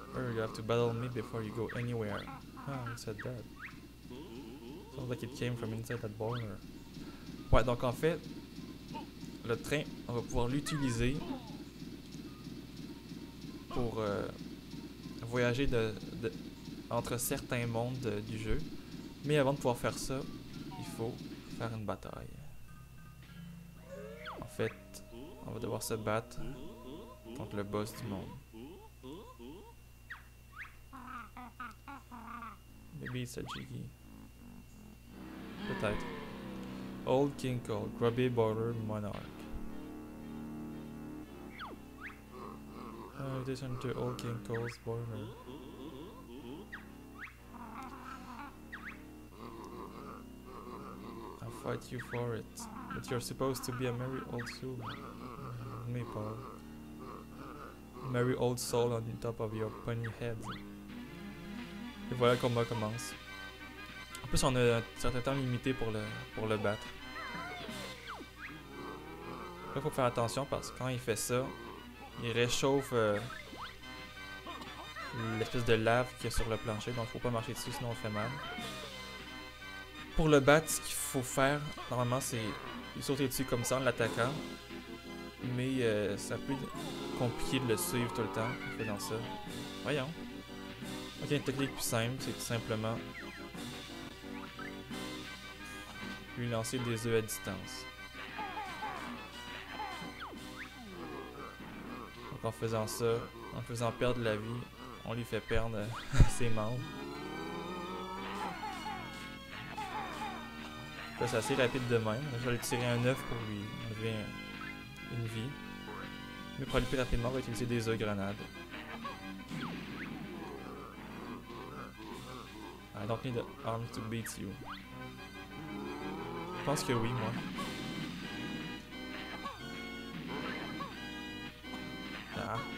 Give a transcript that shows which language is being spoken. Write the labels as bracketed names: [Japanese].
[English] Or you have to battle me before you go anywhere. Ah, who said that? Sounds like it came from inside that border. [French] Ouais, donc en fait, le train, on va pouvoir l'utiliser pour voyager entre certains mondes du jeu. Mais avant de pouvoir faire ça, il faut faire une bataille. En fait, on va devoir se battre contre le boss du monde. Peut-être. [English] Old King Cole, Grubby Border Monarch. Listen to Old King Cole's border. I fight you for it. But you're supposed to be a merry old soul. Me, Paul. Merry old soul on top of your pony head. [French] Et voilà, le combat commence. En plus, on a un certain temps limité pour le battre. Là, faut faire attention parce que quand il fait ça, il réchauffe l'espèce de lave qu'il y a sur le plancher, donc faut pas marcher dessus, sinon on fait mal. Pour le battre, ce qu'il faut faire, normalement, c'est sauter dessus comme ça en l'attaquant. Mais c'est un peu compliqué de le suivre tout le temps en faisant ça. Voyons. Ok, une technique plus simple, c'est tout simplement lui lancer des œufs à distance. Donc en faisant ça, en faisant perdre la vie, on lui fait perdre ses membres. Là, c'est assez rapide de même. Je vais lui tirer un œuf pour lui enlever une vie. Mais pour aller plus rapidement, on va utiliser des œufs grenades. [English] I don't need the arm to beat you. [French] Je pense que oui, moi. Ah.